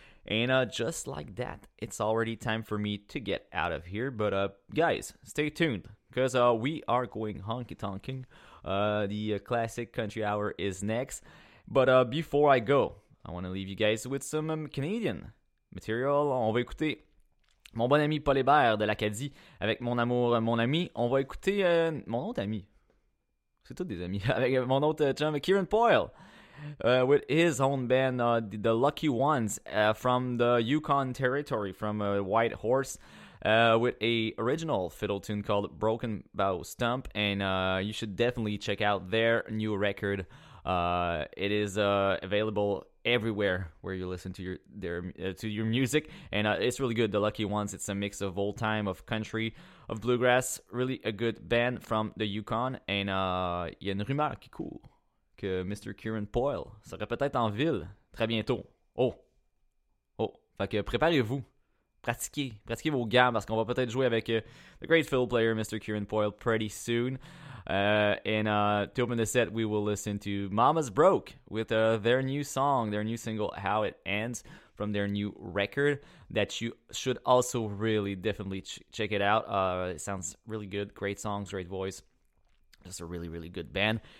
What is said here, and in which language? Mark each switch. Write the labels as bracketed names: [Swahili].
[English] And just like that, it's already time for me to get out of here. But guys, stay tuned, because we are going honky-tonking. The Classic Country Hour is next. But before I go, I want to leave you guys with some Canadian material. [French] On va écouter mon bon ami Paul Hébert de l'Acadie avec Mon Amour, Mon Ami. On va écouter mon autre ami. C'est tous des amis. Avec mon autre chum, Kieran Poyle. [English] With his own band, the Lucky Ones, from the Yukon Territory, from White Horse, with a original fiddle tune called Broken Bow Stump, and you should definitely check out their new record. It is available everywhere where you listen to your music, and it's really good. The Lucky Ones, it's a mix of old time, of country, of bluegrass. Really a good band from the Yukon, and [French] y a une rumeur qui court. [English] Mr. [French] Kieran Poyle serait peut-être en ville très bientôt. Oh, fait que préparez-vous, pratiquez vos gammes, parce qu'on va peut-être jouer avec [English] the great fiddle player [French] Mr. [English] Kieran Poyle pretty soon. To open the set, we will listen to Mama's Broke with their new song, their new single How It Ends, from their new record that you should also really definitely check it out. It sounds really good, great songs, great voice, just a really really good band.